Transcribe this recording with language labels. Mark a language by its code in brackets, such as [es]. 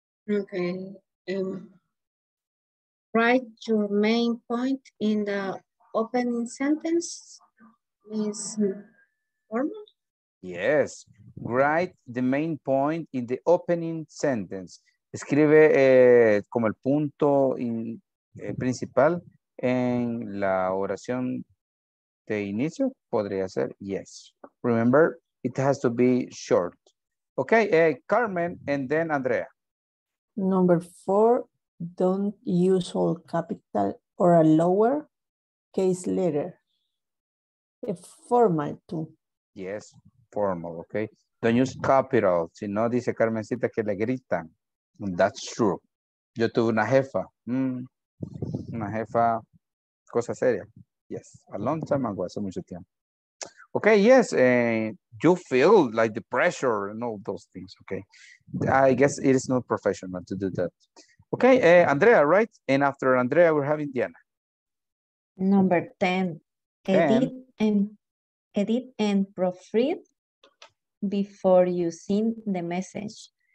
[en] Okay. Write your main point in the opening sentence. Is formal? Yes. Write the main point in the opening sentence. [es] Escribe como el punto principal en la oración de inicio. [en] Podría ser yes. Remember, it has to be short. Okay, Carmen and then Andrea. Number four, don't use all capital or a lower case letter. A formal too. [es] Yes, formal, okay. Don't use capital. Si no, dice Carmencita que le gritan. That's true. Yo tuve una jefa. Una jefa, cosa seria. [en] Yes, a long time ago, hace mucho tiempo. Okay, yes, you feel like the pressure and all those things, okay? I guess it is not professional to do that. Okay, Andrea, right? And after Andrea, we're having Diana. Number 10. Edit and proofread before you send the message.